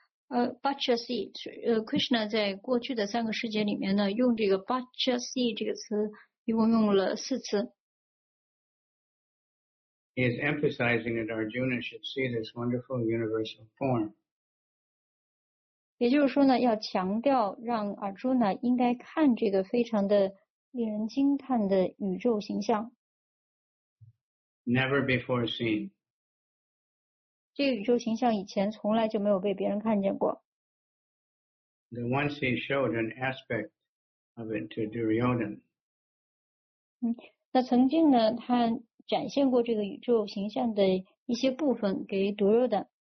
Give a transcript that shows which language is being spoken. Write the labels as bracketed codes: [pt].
[zh] Bachasi, Krishna 在过去的三个世界里面呢，用这个 Bachasi 这个词一共用了四次。 [en] He is emphasizing that Arjuna should see this wonderful universal form. [zh] 也就是说呢，要强调让 Arjuna 应该看这个非常的令人惊叹的宇宙形象。 [en] Never before seen. [zh] 这个宇宙形象以前从来就没有被别人看见过。 [en] The once he showed an aspect of it to Duryodhan. [zh] 那曾经呢，他展现过这个宇宙形象的一些部分给 Duryodhan。